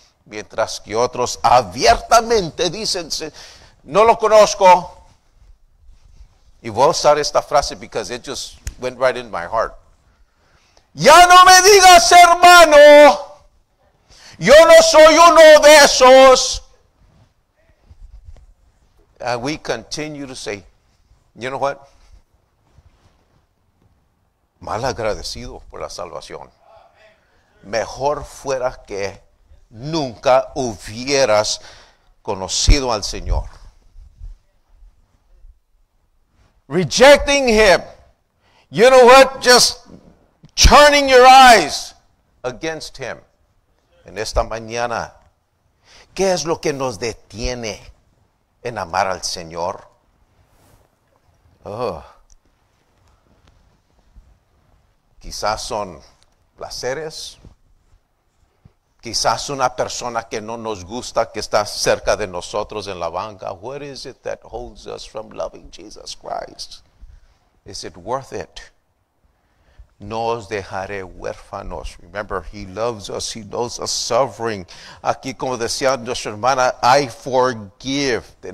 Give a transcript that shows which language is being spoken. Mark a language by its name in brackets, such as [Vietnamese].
[Spanish] Mientras que otros abiertamente dicen, no lo conozco. Y voy a usar esta frase [English] because it just went right in my heart. [Spanish] Ya no me digas, hermano, yo no soy uno de esos. [English] And we continue to say, you know what? [Spanish] Mal agradecido por la salvación. Mejor fuera que nunca hubieras conocido al Señor. [English] Rejecting him. You know what? Just turning your eyes against him. [Spanish] En esta mañana, ¿qué es lo que nos detiene en amar al Señor? Oh. Quizás son placeres. Quizás una persona que no nos gusta, que está cerca de nosotros en la banca. [English] What is it that holds us from loving Jesus Christ? Is it worth it? [Spanish] No os dejaré huérfanos. [English] Remember, he loves us. He knows us suffering. [Spanish] Aquí, como decía nuestra hermana, [English] I forgive.